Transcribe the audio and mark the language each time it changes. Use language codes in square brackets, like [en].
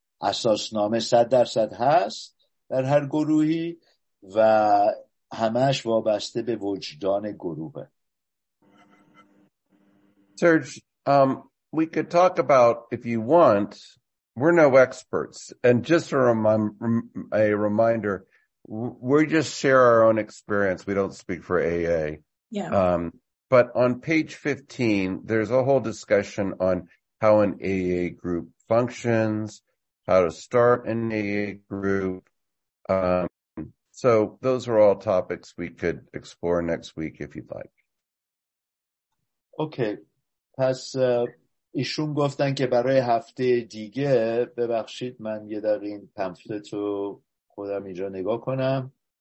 [fa] اساسنامه 100% هست در هر گروهی و همش وابسته به وجدان گروهه. [en] Serge, we could talk about, if you want, we're no experts. And just a reminder, we just share our own experience. We don't speak for AA. Yeah. But on page 15, there's a whole discussion on how an AA group functions, how to start an AA group. So those are all topics we could explore next week if you'd like. Okay. [fa] پس ایشون گفتن که برای هفته دیگه، ببخشید من یه دقیقه این پمفلت رو خودم اینجا نگاه کنم،